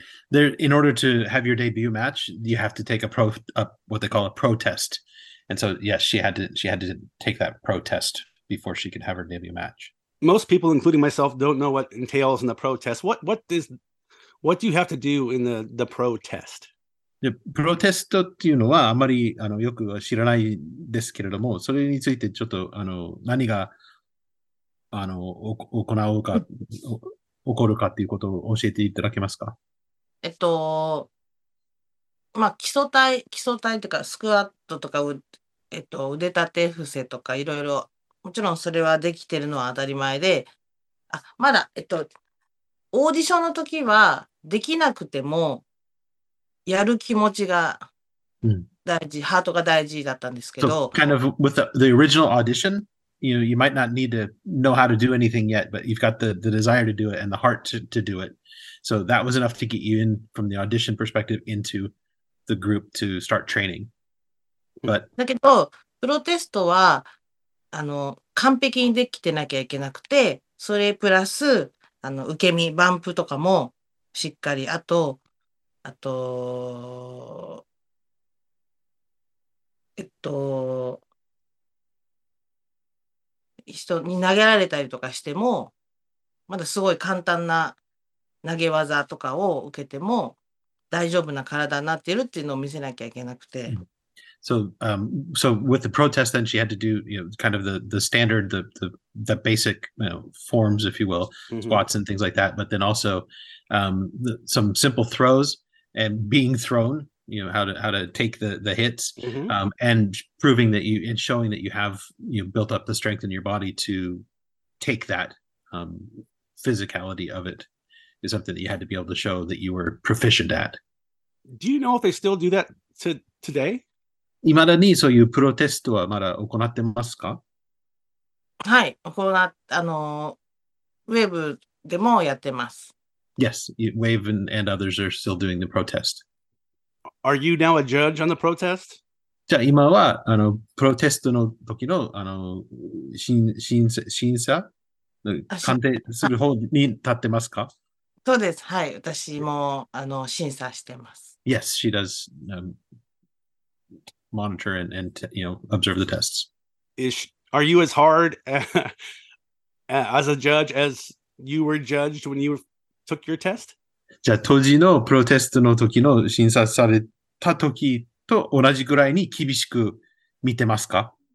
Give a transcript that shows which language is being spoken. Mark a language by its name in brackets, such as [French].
[English] There, in order to have your debut match, you have to take a pro, what they call a pro test. And so, yes, she had to take that pro test before she could have her debut match. Most people, including myself, don't know what entails in the pro test. What do you have to do in the pro test? [Japanese] で、プロテストっていうのはあまりよくは知らないですけれども、それについてちょっと何が行うか、起こるかっていうことを教えていただけますか？基礎体とか、スクワットとか、腕立て伏せとか、いろいろ、もちろんそれはできてるのは当たり前で、まだ、オーディションの時はできなくても、やる気持ちが大事、ハートが大事だったんですけ [English] So [Japanese] ど、 [English] kind of with the original audition, you might not need to know how to do anything yet, but you've got the desire to do it and the heart to do it. So that was enough to get you in from the audition perspective into the group to start training. But [Japanese] だけど、プロテストは、完璧にできてなきゃいけなくて、それプラス、受け身、バンプとかもしっかり、あと、人に投げられたりとかしても、まだすごい簡単な投げ技とかを受けても大丈夫な体になってるっていうのを見せなきゃいけなくて。 [English] So with the protest, then she had to do, kind of the standard, the basic, forms, if you will, squats and things like that. But then also, some simple throws and being thrown, how to take the hits, and proving that you and showing that you have, built up the strength in your body to take that, physicality of it is something that you had to be able to show that you were proficient at. Do you know if they still do that to today? [Japanese] いまだにそういうプロテストはまだ行ってますか？はい、ウェブでもやってます。 [English] Yes, Wave and others are still doing the protest. Are you now a judge on the protest? [Japanese] じゃあ今は、プロテストの時の、審査、鑑定する方に立ってますか？そうです。はい。私も、審査してます。 [English] Yes, she does. Monitor and observe the tests. Are you as hard as a judge as you were judged when you took your test? [Japanese] じゃあ、当時のプロテストの時の審査された時と同じぐらいに厳しく見てますか？